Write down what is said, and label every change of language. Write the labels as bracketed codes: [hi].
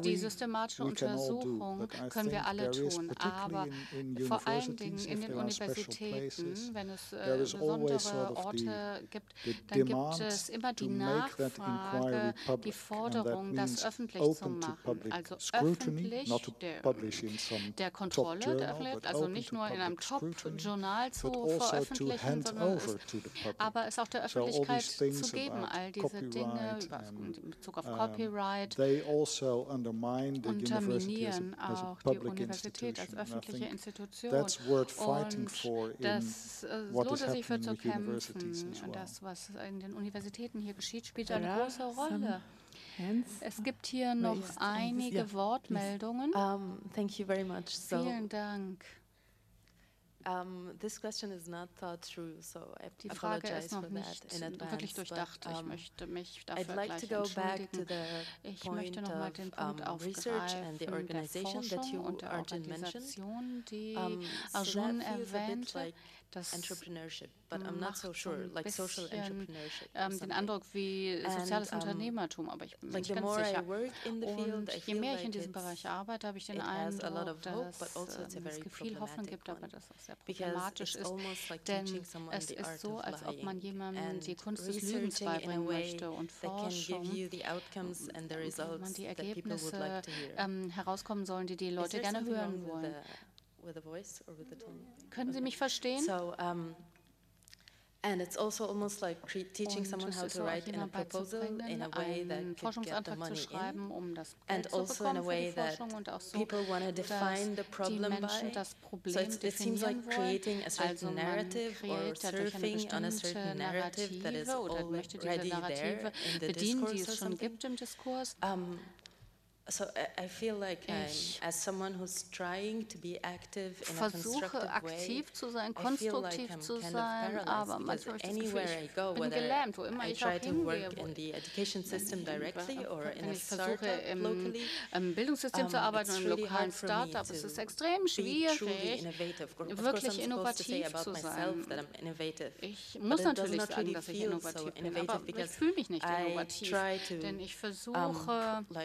[de] die systematische Untersuchung können wir alle tun, aber vor allen Dingen in den Universitäten, wenn es besondere Orte gibt, dann gibt es immer die Nachfrage, die Forderung, das öffentlich zu machen, also öffentlich der Kontrolle, also nicht nur in einem Top-Journal zu veröffentlichen, aber es auch der Öffentlichkeit zu geben, all diese Dinge in Bezug auf Copyright. [en] They also undermine the university as a public institution. And that's worth fighting for in what is happening with universities as well. [de] Das, was in den Universitäten hier geschieht, spielt eine große Rolle. Es gibt hier noch einige Wortmeldungen. [en] Thank you very much. [de] So, vielen Dank. [en] This question is not thought through, so I [de] die Frage ist noch nicht wirklich durchdacht. Ich möchte mich dafür gleich entschuldigen. Ich möchte noch mal den Punkt aufgreifen, der Forschung [en] that you [de] und der Organisation, die Arjun so erwähnte. Das [en] Entrepreneurship, but I'm not so sure, like social entrepreneurship. [de] Den Eindruck wie soziales Unternehmertum, aber ich bin [en] like [de] mir nicht ganz sicher. Und je mehr ich in diesem Bereich arbeite, habe ich den Eindruck, dass es viel Hoffnung gibt, aber das auch sehr problematisch ist, denn es ist so, als ob man jemandem die Kunst des Lügens beibringen möchte und Forschung, wo man die Ergebnisse herauskommen sollen, die die Leute gerne hören wollen. [en] with a voice or with a tone. [de] Können Sie mich verstehen? [en] So, and it's also almost like teaching [de] und [en] someone how to write in a proposal in a way that could get the money in, [de] um das [en] and also in a way that [de] so [en] people want to define the problem by. So it seems like creating a certain narrative or surfing on a certain narrative that is already there in the discourse or something. So I feel like I'm, as someone who's trying to be active in a constructive way, [de] aktiv zu sein, konstruktiv zu sein, aber manchmal ist [en] anywhere [de] ich [en] I go, [de] bin gelähmt, wo immer [en] I [de] ich auch hingehe, [en] work in the education system directly or in [de] wenn [en] a [de] ich versuche im, im Bildungssystem zu arbeiten, [en] really [de] im lokalen Startup, es ist extrem schwierig, wirklich innovativ zu sein. Ich muss natürlich sagen, dass ich innovativ bin, aber ich fühle mich nicht innovativ, denn ich versuche